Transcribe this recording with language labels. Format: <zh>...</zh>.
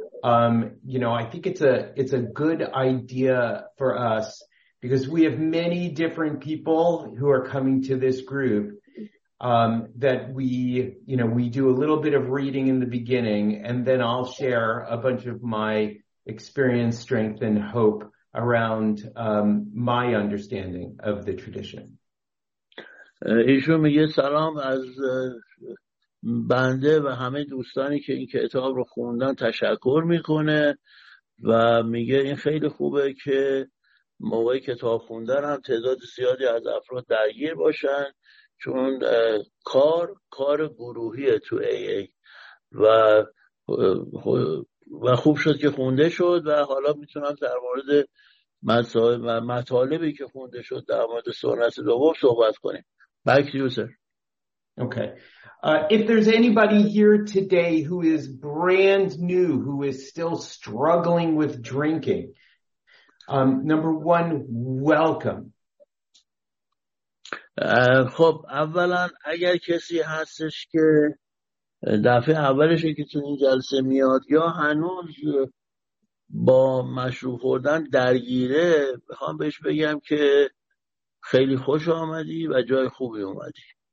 <en>You know, I think it's a good idea for us because we have many different people who are coming to this group, that we, you know, we do a little bit of reading in the beginning, and then I'll share a bunch of my experience, strength, and hope around my understanding of the tradition.</en> <fa>ایشون میگه سلام، از بنده و همه دوستانی که این کتاب رو خوندن تشکر میکنه و میگه این خیلی خوبه که موقع کتاب خوندن هم تعداد زیادی از افراد درگیر باشن، چون کار گروهیه تو AA و خوب شد که خونده شد و حالا میتونم در مورد مسائل و مطالبی که خونده شد در مورد سنت دوم صحبت کنیم.</fa> <en>Back to you, sir. Okay. If there's anybody here today who is brand new, who is still struggling with drinking, number one, welcome.</en> <fa>خب اولا اگر کسی هستش که دفعه اولشه که تو این جلسه میاد یا هنوز با مشروب خوردن درگیره، بخوام بهش بگم که خیلی خوش آمدی و جای خوبی اومدی.</fa>